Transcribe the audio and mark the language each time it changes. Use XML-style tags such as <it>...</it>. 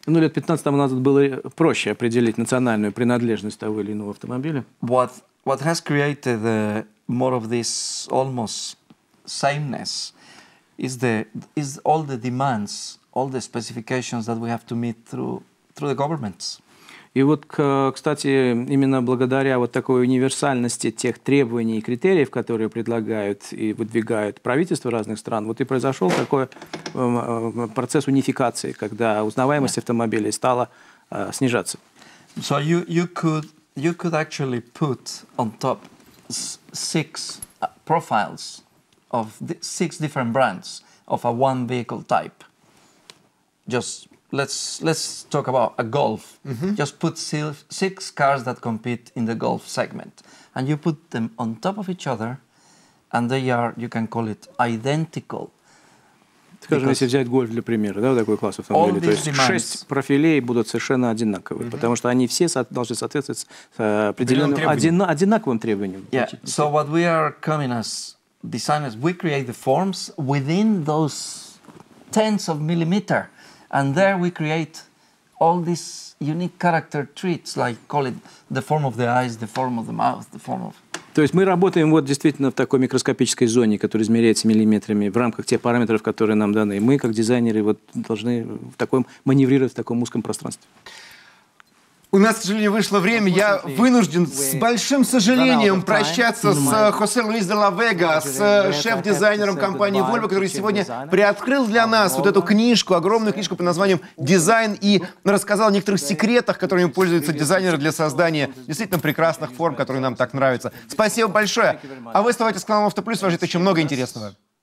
<ru>Ну, лет 15 тому назад было проще определить национальную принадлежность того или иного автомобиля.</ru> <en>What has created more of this almost sameness? Is all the demands, all the specifications that we have to meet through the governments.</en> <ru>И вот, кстати, именно благодаря вот такой универсальности тех требований и критериев, которые предлагают и выдвигают правительства разных стран, вот и произошел такой процесс унификации, когда узнаваемость автомобилей стала снижаться.</ru> <en>So you could actually put on top six profiles of six different brands of a one vehicle type. Just let's talk about a Golf. Mm-hmm. Just put six cars that compete in the Golf segment, and you put them on top of each other, and they are, you can call it, identical.</en> <ru>Скажем, если взять Golf для примера, да, вот такой класс автомобилей, то есть шесть профилей будут совершенно одинаковые, mm-hmm. потому что они все должны соответствовать определенным одинаковым требованиям.</ru> <en>Yeah. So what we are coming as designers, we create the forms within those tens of millimeter, and there we create all these unique character traits, like call it the form of the eyes, the form of the mouth, the form of.</en> <ru>То есть мы работаем вот действительно в такой микроскопической зоне, которая измеряется миллиметрами в рамках тех параметров, которые нам даны. Мы как дизайнеры вот должны в таком маневрировать в таком узком пространстве. У нас, к сожалению, вышло время. Я вынужден с большим сожалением прощаться с Хосе Луис де ла Вега, с шеф-дизайнером компании Volvo, который сегодня приоткрыл для нас вот эту книжку, огромную книжку под названием «Дизайн», и рассказал о некоторых секретах, которыми пользуются дизайнеры для создания действительно прекрасных форм, которые нам так нравятся. Спасибо большое. А вы оставайтесь с каналом «Автоплюс», вас ждет еще много интересного.</ru>